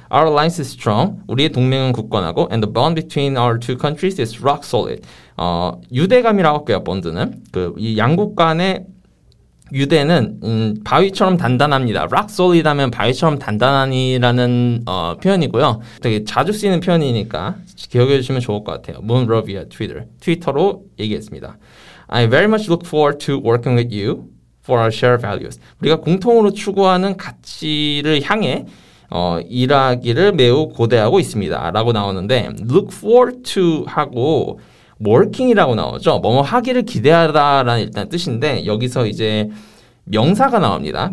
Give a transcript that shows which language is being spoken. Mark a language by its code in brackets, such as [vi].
[en] Our alliance is strong. [ko] 우리의 동맹은 굳건하고 [en] and the bond between our two countries is rock solid. [ko] 유대감이라고 할게요. 본드는 그 이 양국 간의 유대는 바위처럼 단단합니다. Rock solid 하면 바위처럼 단단하니라는 표현이고요. 되게 자주 쓰이는 표현이니까 기억해 주시면 좋을 것 같아요. [en] Moon Rovia Twitter. [ko] 트위터로 얘기했습니다. [en] I very much look forward to working with you for our shared values. [ko] 우리가 공통으로 추구하는 가치를 향해 일하기를 매우 고대하고 있습니다. 라고 나오는데 look forward to 하고 working이라고 나오죠. 뭐뭐 하기를 기대하다라는 일단 뜻인데 여기서 이제 명사가 나옵니다.